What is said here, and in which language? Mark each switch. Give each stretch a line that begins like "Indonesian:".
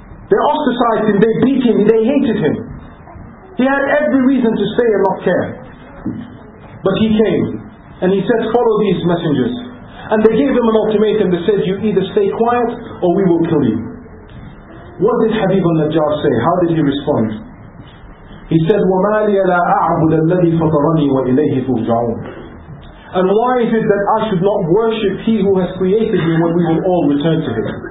English: They ostracized him, they beat him, they hated him. He had every reason to stay and not care. But he came and he said, "Follow these messengers." And they gave him an ultimatum that said, "You either stay quiet or we will kill you." What did Habib al-Najjar say? How did he respond? He said,
Arabic: وَمَا لِيَ لَا أَعْبُدَ الَّذِي فَطَرَنِي وَإِلَيْهِ تُرْجَعُونَ.
English: And why is it that I should not worship He who has created me when we will all return to Him?